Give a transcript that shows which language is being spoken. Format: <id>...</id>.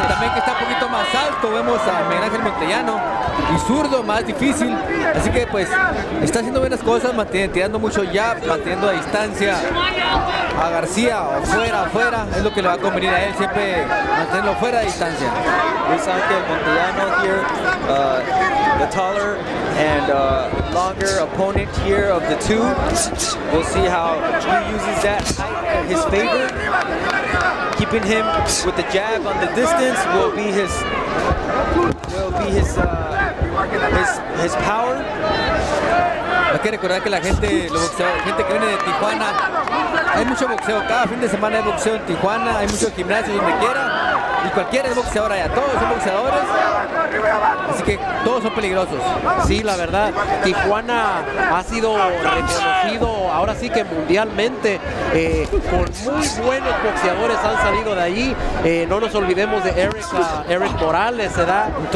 <es>Y también que está un poquito más alto, vemos a Miguel Ángel Montellano y zurdo, más difícil. Así que pues está haciendo buenas cosas, tirando mucho ya, manteniendo a distancia a García, afuera, es lo que le va a convenir a él, siempre mantenerlo fuera de distancia.</es> <en>Luis Ángel Montellano here, the taller and longer opponent here of the two. We'll see how he uses that height in his favor. Keeping him with the jab on the distance will be his power.</en> <es>Hay que recordar que la gente que viene de Tijuana, hay mucho boxeo, cada fin de semana hay boxeo en Tijuana, hay muchos gimnasios donde quiera, y cualquiera es boxeador allá, todos son boxeadores, así que todos son peligrosos. Sí, la verdad, Tijuana ha sido reconocido ahora sí que mundialmente, con muy buenos boxeadores han salido de ahí, no nos olvidemos de Eric Morales, ¿verdad?</es>